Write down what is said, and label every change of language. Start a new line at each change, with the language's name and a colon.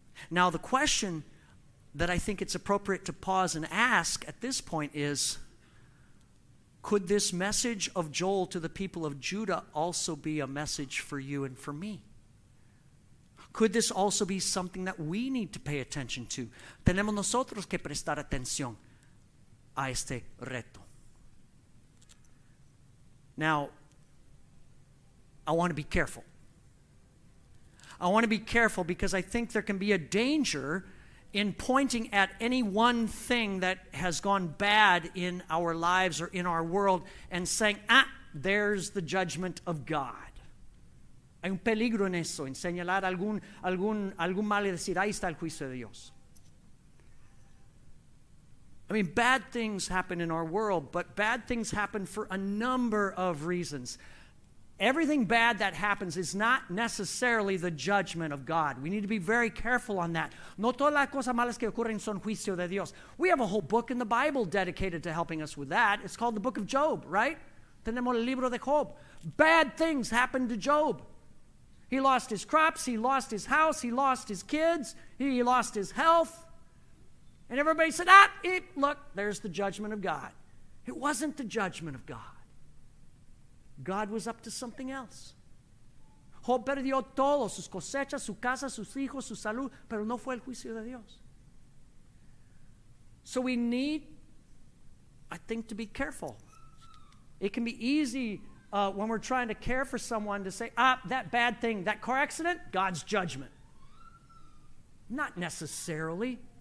English: Now, the question that I think it's appropriate to pause and ask at this point is, could this message of Joel to the people of Judah also be a message for you and for me? Could this also be something that we need to pay attention to?
Spanish: Tenemos nosotros que prestar atención a este reto.
English: Now, I want to be careful. I want to be careful because I think there can be a danger in pointing at any one thing that has gone bad in our lives or in our world and saying, ah, there's the judgment of God.
Spanish: Hay un peligro en eso, en señalar algún mal y decir, ahí está el juicio de Dios.
English: I mean, bad things happen in our world, but bad things happen for a number of reasons. Everything bad that happens is not necessarily the judgment of God. We need to be very careful on that.
Spanish: No todas las cosas malas que ocurren son juicio de Dios.
English: We have a whole book in the Bible dedicated to helping us with that. It's called the book of Job, right?
Spanish: Tenemos el libro de Job.
English: Bad things happened to Job. He lost his crops, he lost his house, he lost his kids, he lost his health. And everybody said, look, there's the judgment of God. It wasn't the judgment of God. God was up to something else.
Spanish: Job perdió todo, sus cosechas, su casa, sus hijos, su salud, pero no fue el juicio de Dios.
English: So we need, I think, to be careful. It can be easy when we're trying to care for someone to say, that bad thing, that car accident, God's judgment. Not necessarily.